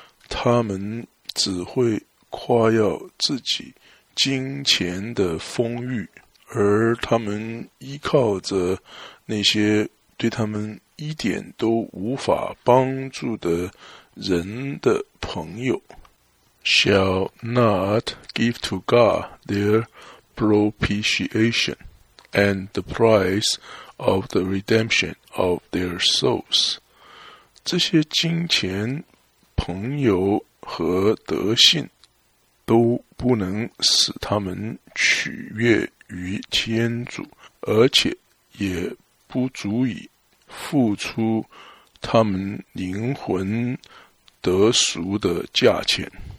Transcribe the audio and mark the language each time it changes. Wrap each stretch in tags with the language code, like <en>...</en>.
<zh>他们只会夸耀自己金钱的丰裕，而他们依靠着那些对他们一点都无法帮助的人的朋友。</zh> <en>Shall not give to God their propitiation and the price of the redemption of their souls.</en> <zh>这些金钱、朋友和德性都不能使他们取悦于天主，而且也不足以付出他们灵魂得赎的价钱。</zh>